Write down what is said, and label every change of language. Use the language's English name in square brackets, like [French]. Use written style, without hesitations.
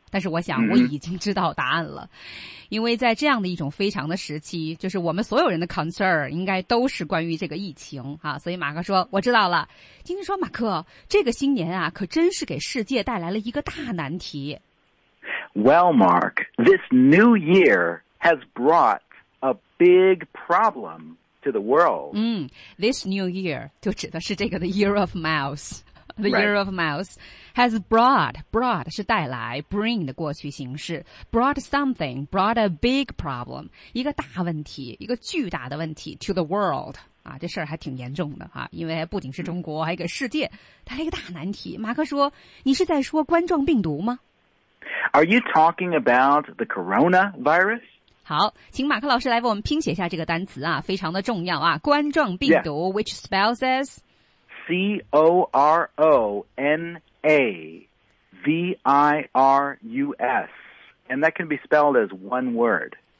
[Chinese] 但是我想我已经知道答案了。 Mm-hmm. 因为在这样的一种非常的时期就是我们所有人的 concern 应该都是关于这个疫情啊所以马克说我知道了。晶晶说马克这个新年啊可真是给世界带来了一个大难题。 [English] Well, Mark, this new year has brought a big problem to the world. This new year, [Chinese] 就指的是这个 [English] the year of mouse. The year of mouse has brought [Chinese] 是带来 [English] bring [Chinese] 的过去形式 [English] brought something, brought a big problem, [Chinese] 一个大问题一个巨大的问题 [English] to the world. [Chinese] 啊，这事儿还挺严重的哈、啊，因为不仅是中国，还有个世界，它还有一个大难题。马克说：“你是在说冠状病毒吗 [English] ？”Are you talking about the coronavirus？ [Chinese] 好，请马克老师来为我们拼写一下这个单词啊，非常的重要啊，冠状病毒、 [English] ，which spells as C O R O N A V I R U S， and that can be spelled as one word。